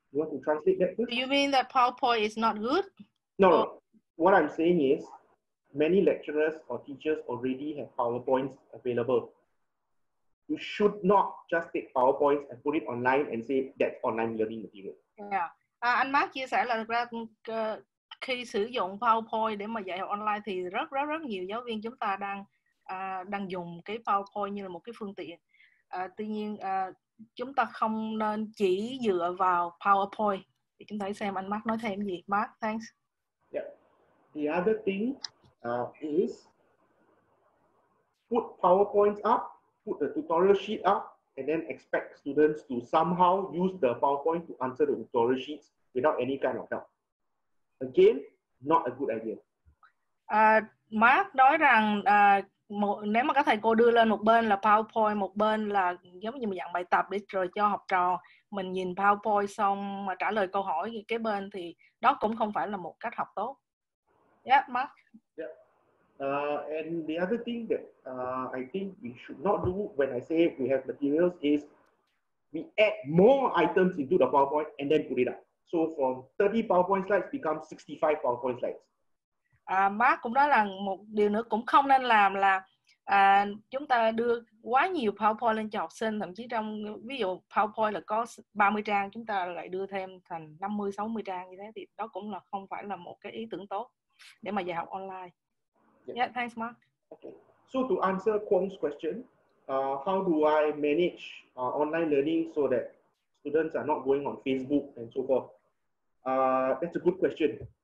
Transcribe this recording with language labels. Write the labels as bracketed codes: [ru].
[en] You want to translate that first? Do you mean that PowerPoint is not good? No, no. What I'm saying is, many lecturers or teachers already have PowerPoints available. You should not just take PowerPoints and put it online and say that's online learning material. Yeah. [vi] Anh Mark chia sẻ là thực ra khi sử dụng PowerPoint để mà dạy học online thì rất rất rất nhiều giáo viên chúng ta đang đang dùng cái PowerPoint như là một cái phương tiện. Tuy nhiên chúng ta không nên chỉ dựa vào PowerPoint. Thì chúng ta hãy xem anh Mark nói thêm gì. [en] Mark, thanks. Yeah. The other thing is put PowerPoints up, put the tutorial sheet up, and then expect students to somehow use the PowerPoint to answer the tutorial sheets without any kind of help. Again, not a good idea. [vi] Mark nói rằng nếu mà các thầy cô đưa lên một bên là PowerPoint, một bên là giống như mà dạng bài tập để rồi cho học trò mình nhìn PowerPoint xong mà trả lời câu hỏi cái bên thì đó cũng không phải là một cách học tốt. [en] Yeah, Mark. And the other thing that I think we should not do when I say we have materials is we add more items into the PowerPoint and then put it up. So from 30 PowerPoint slides become 65 PowerPoint slides. [vi] Mark cũng nói rằng một điều nữa cũng không nên làm là chúng ta đưa quá nhiều PowerPoint lên cho học sinh, thậm chí trong ví dụ PowerPoint là có 30 trang, chúng ta lại đưa thêm thành 50-60 trang như thế thì đó cũng là không phải là một cái ý tưởng tốt để mà dạy học online. [en] Yeah, thanks, Mark. Okay. So to answer Kwong's question, how do I manage online learning so that students are not going on Facebook and so forth? That's a good question.